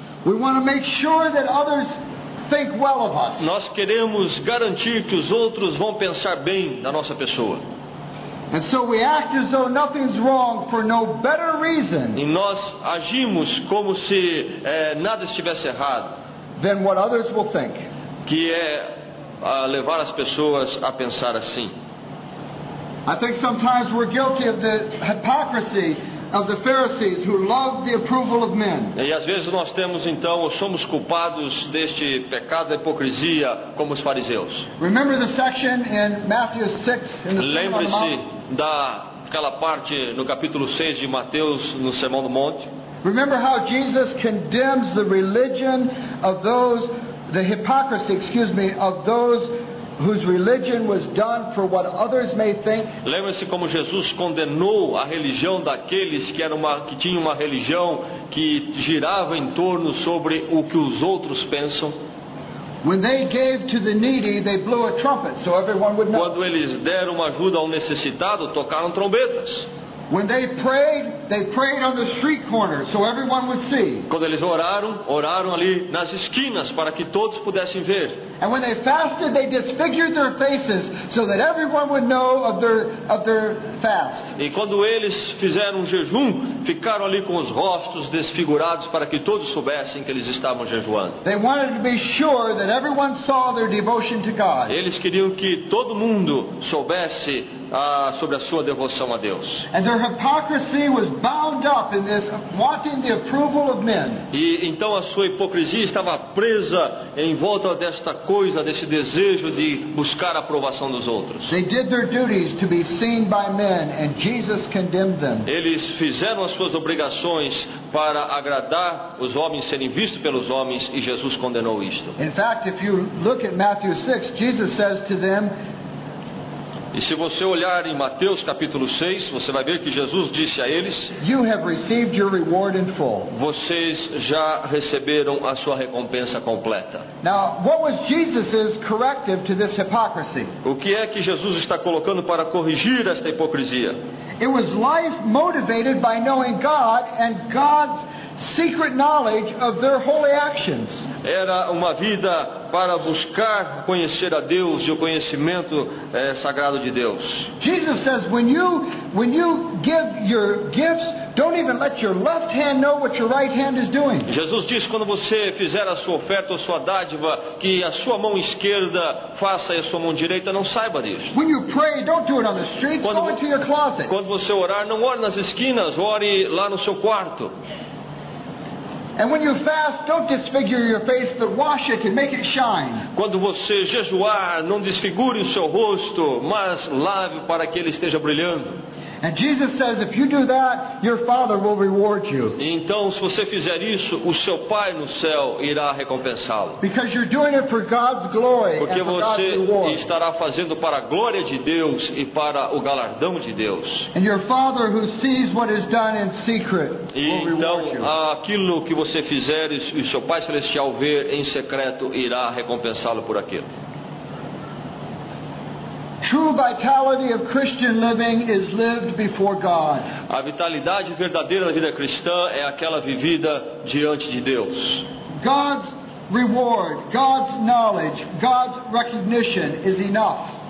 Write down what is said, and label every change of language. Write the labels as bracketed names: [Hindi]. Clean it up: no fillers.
[English] We want to make sure that others think well of us. [Portuguese] Nós queremos garantir que os outros vão pensar bem da nossa pessoa. [English] And so we act as though nothing's wrong for no better reason. [Portuguese] E nós agimos como se nada estivesse errado. [English] Than what others will think. [Portuguese] Que é levar as pessoas a pensar assim. [English] I think sometimes we're guilty of the hypocrisy of the Pharisees who love the approval of men. [Portuguese] E às vezes nós temos então ou somos culpados deste pecado da hipocrisia como os fariseus. [English] Remember the section in Matthew 6 in the Sermon on the Mount? [Portuguese] Aquela parte no capítulo 6 de Mateus no Sermão do Monte. [English] Remember how Jesus condemns the religion of those, the hypocrisy, excuse me, of those whose religion was done for what others may think. [Portuguese] Lembre-se como Jesus condenou a religião daqueles que eram que tinham uma religião que girava em torno sobre o que os outros pensam. [English] When they gave to the needy, they blew a trumpet so everyone would know. [Portuguese] Quando eles deram uma ajuda ao necessitado, tocaram trombetas. [English] When they prayed on the street corner so everyone would see. [Portuguese] Quando eles oraram, oraram ali nas esquinas para que todos pudessem ver. [English] And when they fasted, they disfigured their faces so that everyone would know of their fast. [Portuguese] E quando eles fizeram jejum, ficaram ali com os rostos desfigurados para que todos soubessem que eles estavam jejuando. [English] They wanted to be sure that everyone saw their devotion to God. [Portuguese] Eles queriam que todo mundo soubesse sobre a sua devoção a Deus. [English] And their hypocrisy was bound up in this wanting the approval of men. [Portuguese] E então a sua hipocrisia estava presa em volta desta coisa, desse desejo de buscar a aprovação dos outros. [English] They did their duties to be seen by men, and Jesus condemned them. [Portuguese] Eles fizeram as suas obrigações para agradar os homens, serem vistos pelos homens, e Jesus condenou isto. [English] In fact, if you look at Matthew 6, Jesus says to them. [Portuguese] E se você olhar em Mateus capítulo 6, você vai ver que Jesus disse a eles: [English] you have received your reward in full. [Portuguese] Vocês já receberam a sua recompensa completa. [English] Now, what was Jesus's corrective to this hypocrisy? [Portuguese] O que é que Jesus está colocando para corrigir esta hipocrisia? [English] It was life motivated by knowing God and God's secret knowledge of their holy actions. [Portuguese] Era uma vida para buscar conhecer a Deus e o conhecimento sagrado de Deus. [English] Jesus says, when you give your gifts, don't even let your left hand know what your right hand is doing. [Portuguese] Jesus diz, quando você fizer a sua oferta ou sua dádiva, que a sua mão esquerda faça e a sua mão direita não saiba disso. [English] When you pray, don't do it on the streets, go into your closet. [Portuguese] Quando você orar, não ore nas esquinas, ore lá no seu quarto. [English] And when you fast, don't disfigure your face, but wash it and make it shine. [Portuguese] Quando você jejuar, não desfigure o seu rosto, mas lave para que ele esteja brilhando. [English] And Jesus says, if you do that, your Father will reward you. [Portuguese] Então, se você fizer isso, o seu Pai no céu irá recompensá-lo. [English] Because you're doing it for God's glory and for God's reward. [Portuguese] Porque você estará fazendo para a glória de Deus e para o galardão de Deus. [English] And your Father who sees what is done in secret will reward you. [Portuguese] Então, aquilo que você fizer e o seu Pai celestial ver em secreto irá recompensá-lo por aquilo. [English] True vitality of Christian living is lived before God. [Portuguese] A vitalidade verdadeira da vida cristã é aquela vivida diante de Deus. [English] God's reward, God's knowledge, God's recognition is enough.